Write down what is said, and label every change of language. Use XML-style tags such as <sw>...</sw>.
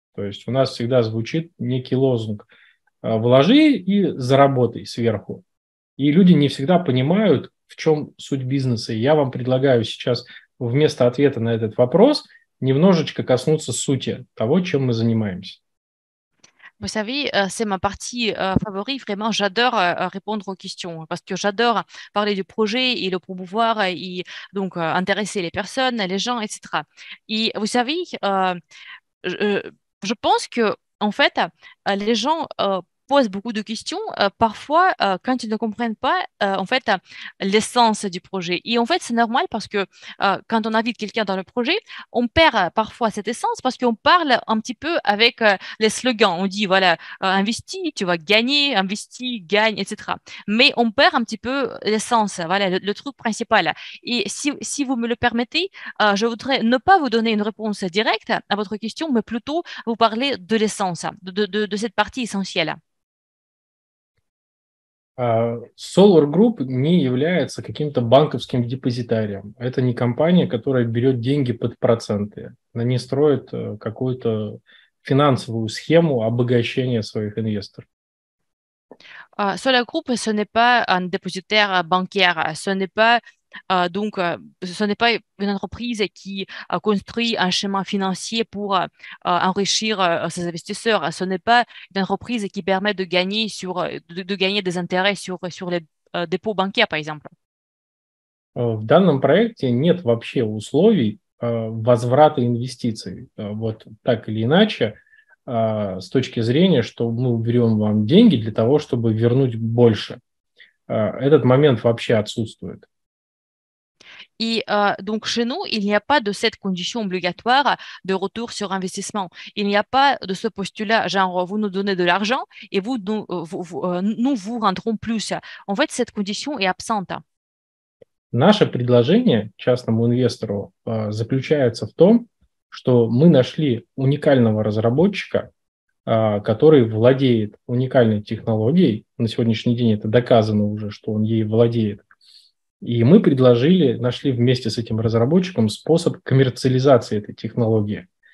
<ru>То есть у нас всегда звучит некий лозунг «вложи и заработай сверху». И люди не всегда понимают, в чем суть бизнеса. И я вам предлагаю сейчас вместо ответа на этот вопрос немножечко коснуться сути того, чем мы занимаемся.</ru> <fr>Vous savez, c'est ma partie favorite. Vraiment, j'adore répondre aux questions parce que j'adore parler du projet et le promouvoir et donc intéresser les personnes, les gens, etc. Et vous savez, je pense que en fait, les gens posent beaucoup de questions parfois quand ils ne comprennent pas en fait l'essence du projet. Et en fait, c'est normal parce que quand on invite quelqu'un dans le projet, on perd parfois cette essence parce qu'on parle un petit peu avec les slogans. On dit voilà, investis, tu vas gagner, investis, gagne, etc. Mais on perd un petit peu l'essence, voilà, le truc principal. Et si vous me le permettez, je voudrais ne pas vous donner une réponse directe à votre question, mais plutôt vous parler de l'essence, de cette partie essentielle.</fr> <ru>Solar Group не является каким-то банковским депозитарием. Это не компания, которая берет деньги под проценты. Она не строит какую-то финансовую схему обогащения своих инвесторов.</ru> <fr>Solar Group, ce n'est pas un dépositaire bancaire. Ce n'est pas, donc, ce n'est pas une entreprise qui construit un chemin financier pour enrichir ses investisseurs. Ce n'est pas une entreprise qui permet de gagner, de gagner des intérêts sur les dépôts bancaires, par exemple.</fr> <ru>В данном проекте нет вообще условий возврата инвестиций. Вот так или иначе, с точки зрения, что мы берем вам деньги для того, чтобы вернуть больше. Этот момент вообще отсутствует.</ru> <fr>Et donc chez nous, il n'y a pas de cette condition obligatoire de retour sur investissement. Il n'y a pas de ce postulat genre vous nous donnez de l'argent et nous vous rendrons plus. En fait, cette condition est absente.</fr> <ru>Наше предложение частному инвестору заключается в том, что мы нашли уникального разработчика, который владеет уникальной технологией. На сегодняшний день это доказано уже, что он ей владеет. И мы предложили, нашли вместе с этим разработчиком способ коммерциализации этой технологии.</ru>